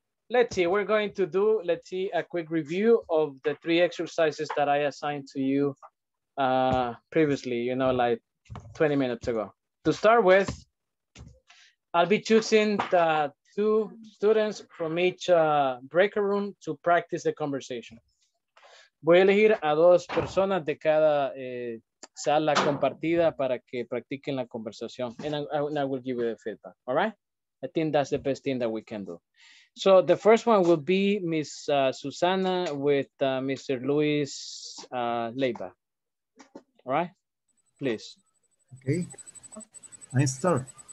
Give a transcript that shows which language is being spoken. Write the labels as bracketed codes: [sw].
[en] Let's see a quick review of the three exercises that I assigned to you previously, you know, like 20 minutes ago. To start with, I'll be choosing the two students from each breaker room to practice the conversation. [es] Voy a elegir a dos personas de cada sala compartida para que practiquen la conversación. [en] And I will give you the feedback, all right? I think that's the best thing that we can do. So the first one will be Miss Susana with Mr. Luis Leyva. All right, please. Okay, I start.